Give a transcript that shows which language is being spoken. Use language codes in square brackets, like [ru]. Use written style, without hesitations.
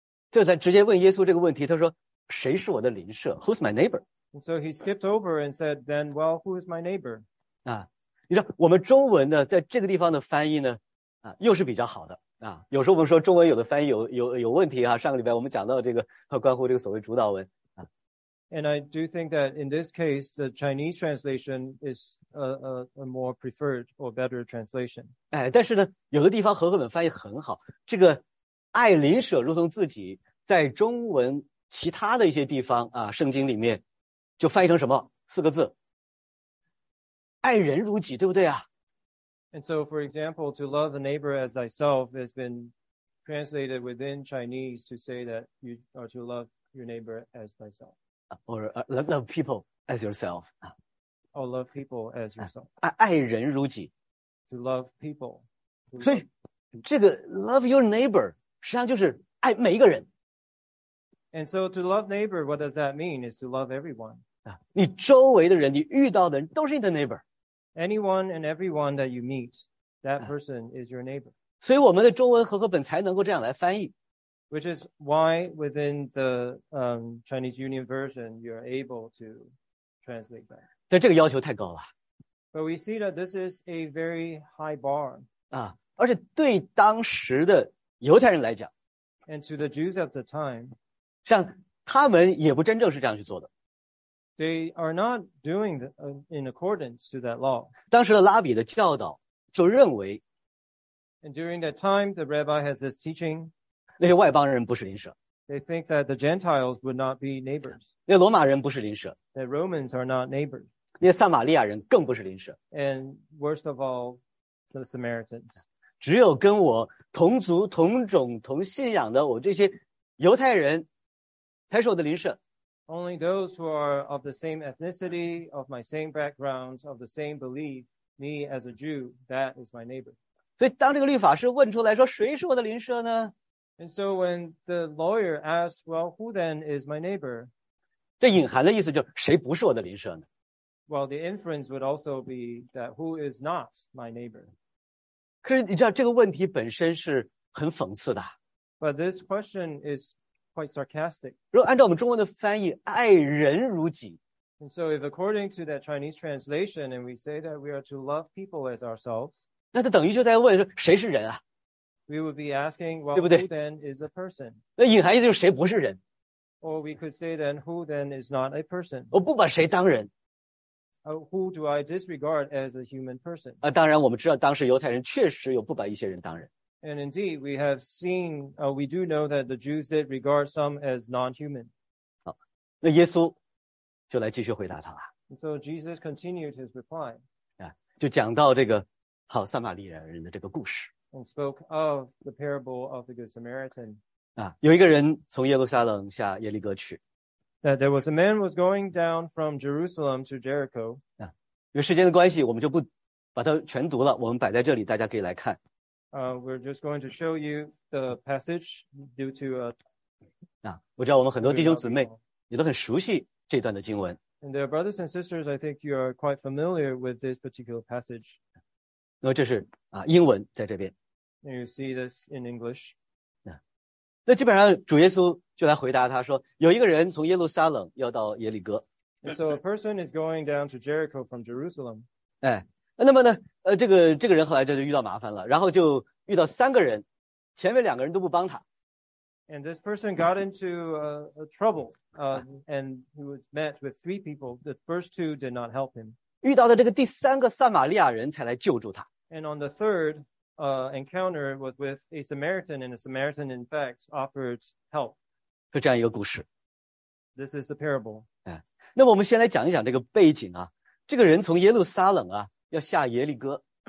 [zh] 就在直接问耶稣这个问题，他说，谁是我的邻舍？ [en] Who's my neighbor? And so he skipped over and said, then, well, who is my neighbor? [zh] 啊，你知道我们中文呢，在这个地方的翻译呢，啊，又是比较好的。啊，有时候我们说中文有的翻译有问题啊，上个礼拜我们讲到这个关乎这个所谓主导文。 [en] And I do think that in this case, the Chinese translation is a more preferred or better translation. [zh] 哎，但是呢，有的地方和合本翻译很好。这个爱邻舍如同自己，在中文其他的一些地方啊，圣经里面就翻译成什么四个字？爱人如己，对不对啊？ [en] And so, for example, to love a neighbor as thyself has been translated within Chinese to say that you are to love your neighbor as thyself. Or love people as yourself. Or love people as yourself. [zh] 爱人如己。 [en] To love people. [zh] 所以这个 [en] love your neighbor [zh] 实际上就是爱每一个人。 [en] And so to love neighbor, what does that mean? Is to love everyone. [zh] 你周围的人，你遇到的人都是你的 neighbor. [en] Anyone and everyone that you meet, that person is your neighbor. [zh] 所以我们的中文和合本才能够这样来翻译。 [en] Which is why within the Chinese Union version, you're able to translate that. [zh] 但这个要求太高了。 [en] But we see that this is a very high bar. [zh] 啊，而且对当时的犹太人来讲。 [en] And to the Jews of the time. [zh] 像他们也不真正是这样去做的。 [en] They are not doing in accordance to that law. [zh] 当时的拉比的教导就认为。 [en] And during that time, the rabbi has this teaching. [zh] 那些外邦人不是邻舍。 [en] They think that the Gentiles would not be neighbors. [zh] 那罗马人不是邻舍。 [en] That Romans are not neighbors. [zh] 那撒玛利亚人更不是邻舍。 [en] And worst of all, the Samaritans. [zh] 只有跟我同族、同种、同信仰的我这些犹太人才是我的邻舍。 [en] Only those who are of the same ethnicity, of my same background, of the same belief, me as a Jew, that is my neighbor. [zh] 所以当这个律法师问出来说谁是我的邻舍呢？ [en] And so when the lawyer asks, well, who then is my neighbor? [zh] 这隐含的意思就是谁不是我的邻舍呢？ [en] Well, the inference would also be that who is not my neighbor? [zh] 可是你知道这个问题本身是很讽刺的。 [en] But this question is quite sarcastic. [zh] 如果按照我们中文的翻译，爱人如己。 [en] And so if according to that Chinese translation, and we say that we are to love people as ourselves, [zh] 那他等于就在问说谁是人啊？ [en] We would be asking, well, [zh] 对不对? [en] Who then is a person? [zh] 那隐含意思就是谁不是人。 [en] Or we could say then, who then is not a person? [zh] 我不把谁当人。 [en] Who do I disregard as a human person? [zh] 当然我们知道当时犹太人确实有不把一些人当人。 [en] And indeed, we have seen, we do know that the Jews did regard some as non-human. [zh] 好，那耶稣就来继续回答他了。 [en] So Jesus continued his reply. [zh] 就讲到这个好撒玛利亚人的这个故事。 [en] And spoke of the parable of the Good Samaritan. [zh] 啊，有一个人从耶路撒冷下耶利哥去。 [en] That there was a man was going down from Jerusalem to Jericho. [zh] 啊，因为时间的关系，我们就不把它全读了，我们摆在这里，大家可以来看。 [en] We're just going to show you the passage due to a. [zh] 啊，我知道我们很多弟兄姊妹也都很熟悉这段的经文。 [en] And there are brothers and sisters, I think you are quite familiar with this particular passage. [zh] 那这是啊，英文在这边。 [en] And you see this in English. [zh] 那基本上主耶稣就来回答他说，有一个人从耶路撒冷要到耶利哥。 [en] And so a person is going down to Jericho from Jerusalem. [zh] 哎，那么呢，这个人后来就遇到麻烦了，然后就遇到三个人，前面两个人都不帮他。 [en] And this person got into a trouble, and he was met with three people. The first two did not help him. [zh] 遇到的这个第三个撒玛利亚人才来救助他。 [en] And on the third encounter was with a Samaritan, and a Samaritan, in fact, offered help. [zh] 是这样一个故事。 [en] This is the parable. [zh] 那么我们先来讲一讲这个背景啊。这个人从耶路撒冷啊要下耶利哥。